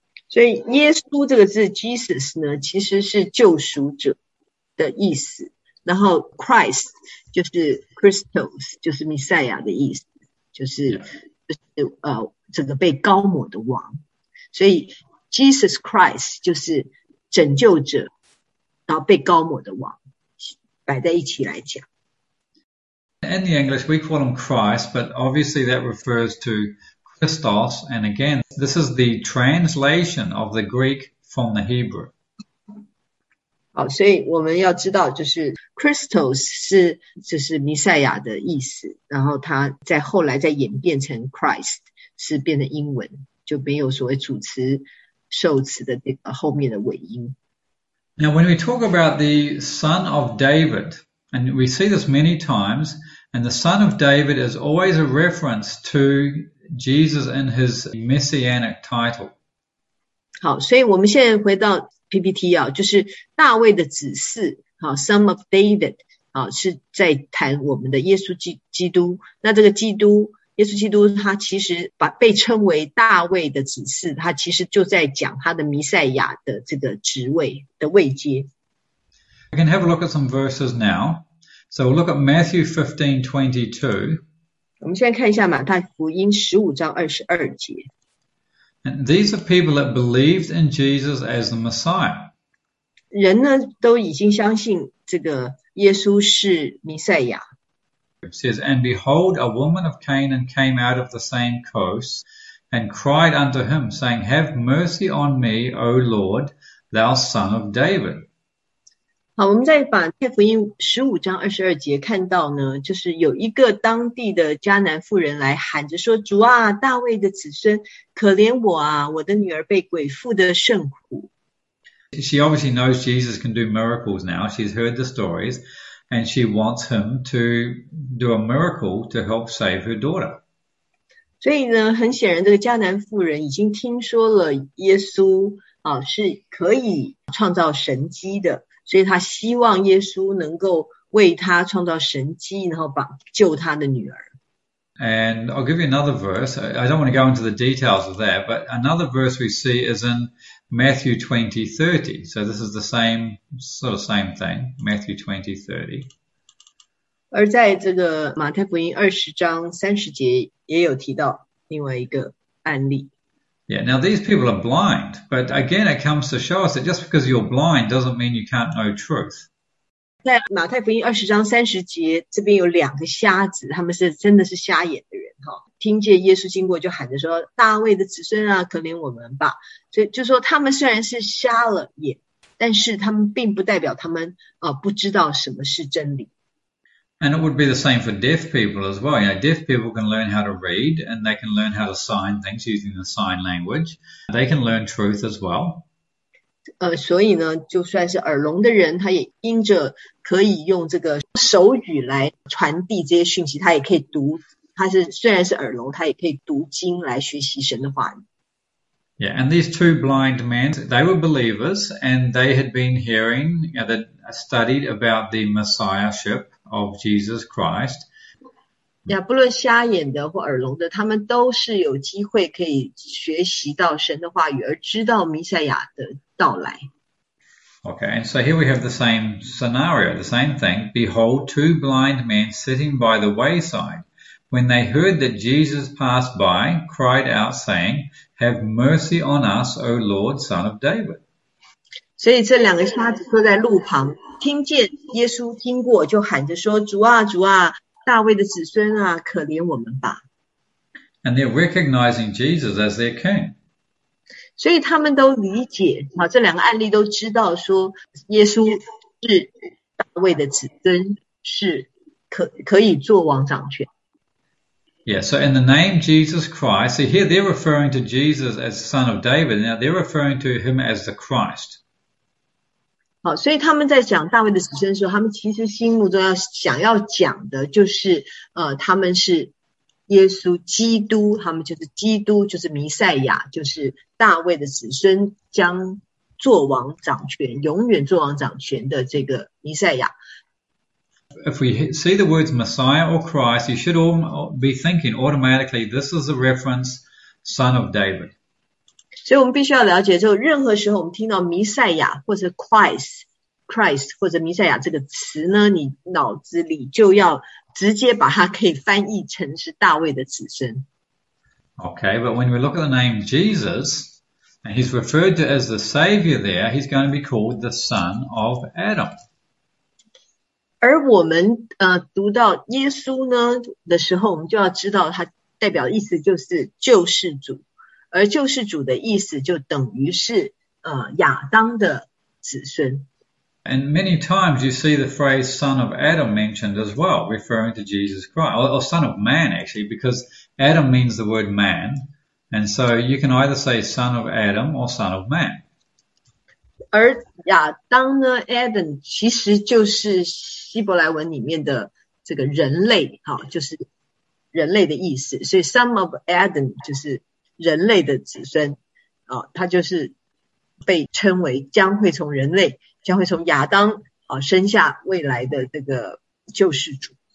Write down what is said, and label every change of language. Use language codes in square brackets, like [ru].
[zh] 所以耶稣这个字 Jesus 呢，其实是救赎者的意思。然后 Christ 就是 Christos， 就是弥赛亚的意思，就是这个被高抹的王。所以 Jesus Christ 就是拯救者，然后被高抹的王，摆在一起来讲。 [en] In the English, we call him Christ, but obviously that refers to Christos, and again, this is the translation of the Greek from the Hebrew. [zh] 好，所以我们要知道，就是 Christos 是就是弥赛亚的意思，然后它在后来再演变成 Christ 是变成英文，就没有所谓主词、受词的这个后面的尾音。 [en] Now, when we talk about the son of David, and we see this many times, and the son of David is always a reference to Jesus and his messianic title. [zh] 好，所以我们现在回到 PPT 啊，就是大卫的子嗣，好， [en] Son of David， [zh] 啊，是在谈我们的耶稣基督。那这个基督，耶稣基督，他其实被称为大卫的子嗣，他其实就在讲他的弥赛亚的这个职位的位阶。 [en] We can have a look at some verses now. So we'll look at Matthew 15:22. [zh] 我们现在看一下马太福音15:22。 [en] And these are people that believed in Jesus as the Messiah. [zh] 人呢，都已经相信这个耶稣是弥赛亚。 [en] It says, And behold, a woman of Canaan came out of the same coast and cried unto him, saying, Have mercy on me, O Lord, thou son of David. [zh] 好，我们再把《马太福音》15:22看到呢，就是有一个当地的迦南妇人来喊着说：“主啊，大卫的子孙，可怜我啊，我的女儿被鬼附得甚苦。 [en] She obviously knows Jesus can do miracles now. She's heard the stories and she wants him to do a miracle to help save her daughter. [zh] ”所以呢，很显然，这个迦南妇人已经听说了耶稣啊，是可以创造神迹的。所以他希望耶稣能够为他创造神迹，然后救他的女儿。 [en] And I'll give you another verse. I don't want to go into the details of that, but another verse we see is in Matthew 20:30. So this is the same thing, Matthew 20:30. [zh] 而在这个马太福音20:30也有提到另外一个案例。 [en] Yeah, now these people are blind, but again, it comes to show us that just because you're blind doesn't mean you can't know truth. [zh] 在马太福音20:30，这边有两个瞎子，他们是真的是瞎眼的人哈，听见耶稣经过就喊着说：“大卫的子孙啊，可怜我们吧！” 所以就说他们虽然是瞎了眼，但是他们并不代表他们不知道什么是真理。 [en] And it would be the same for deaf people as well. Deaf people can learn how to read and they can learn how to sign things using the sign language. They can learn truth as well. [zh] 所以呢，就算是耳聋的人，他也因着可以用这个手语来传递这些讯息，他也可以读。他是虽然是耳聋，他也可以读经来学习神的话语。 [en] Yeah, and these two blind men, they were believers and they had been hearing, studied about the messiahship. Of Jesus Christ. [zh] 呀，不论瞎眼的或耳聋的，他们都是有机会可以学习到神的话语，而知道弥赛亚的到来。 [en] Okay, so here we have the same scenario, the same thing. Behold, two blind men sitting by the wayside, when they heard that Jesus passed by, cried out, saying, Have mercy on us, O Lord, Son of David. [zh] 所以这两个瞎子坐在路旁，听见耶稣经过，就喊着说：“主啊，主啊，大卫的子孙啊，可怜我们吧！” [en] And they're recognizing Jesus as their king. [zh] 所以他们都理解啊，这两个案例都知道说，耶稣是大卫的子孙，是可以做王掌权。 [en] Yeah, so in the name Jesus Christ, so here they're referring to Jesus as the son of David. Now they're referring to him as the Christ. [zh] 好，所以他们在讲大卫的子孙的时候，他们其实心目中要想要讲的就是，他们是耶稣基督，他们就是基督，就是弥赛亚，就是大卫的子孙将做王掌权，永远做王掌权的这个弥赛亚。 [en] If we see the words Messiah or Christ, you should all be thinking automatically, this is a reference, son of David. [zh] 所以，我们必须要了解，就任何时候我们听到弥赛亚或者 Christ 或者弥赛亚这个词呢，你脑子里就要直接把它可以翻译成是大卫的子孙。 [en] Okay, but when we look at the name Jesus, and he's referred to as the Savior there, he's going to be called the Son of Adam. [zh] 而我们读到耶稣呢的时候，我们就要知道他代表意思就是救世主，而救世主的意思就等于是亚当的子孙。 [en] And many times you see the phrase son of Adam mentioned as well, referring to Jesus Christ, or son of man actually, because Adam means the word man. And so you can either say son of Adam or son of man. [zh] 而亚当呢，Adam 其实就是希伯来文里面的这个人类，哈，就是人类的意思。所以 [en] "son of Adam" [zh] 就是人类的子孙，啊，他就是被称为将会从人类，将会从亚当啊生下未来的这个救世主。